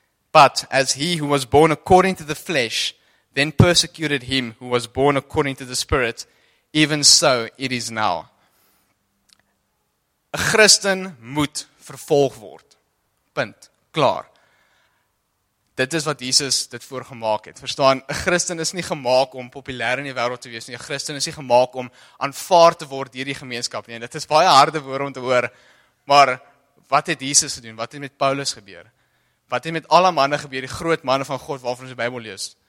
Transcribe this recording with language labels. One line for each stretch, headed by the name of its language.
English: But as he who was born according to the flesh then persecuted him who was born according to the spirit, even so it is now.
Afrikaans: 'N Christen moet vervolg word. Punt. Klaar. Dit is wat Jesus dit voorgemaak het. Verstaan, 'n Christen is nie gemaak om populêr in die wêreld te wees nie. 'N Christen is nie gemaak om aanvaar te word deur die gemeenskap nie. En dit is baie harde woorde om te hoor, maar wat het Jesus gedoen? Wat het met Paulus gebeur? Wat het met alle manne gebeur, die groot manne van God waarvan ons die Bybel lees?